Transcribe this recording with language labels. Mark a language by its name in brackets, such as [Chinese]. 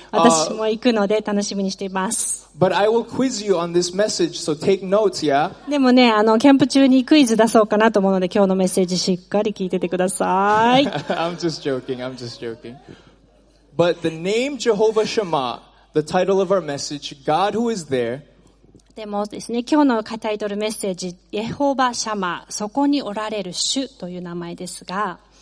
[Japanese] 私も行くので楽しみにしています。 [English] But I will quiz you on this message, so take notes, yeah? [Japanese] でもね、キャンプ中にクイズ出そうかなと思うので、今日のメッセージしっかり聞いててください。 [English] I'm just joking. But the name Jehovah Shema, the title of our message, God who is there. [Japanese] でもですね、今日のタイトルメッセージ、ヨホバシャマ、そこにおられる主という名前ですが、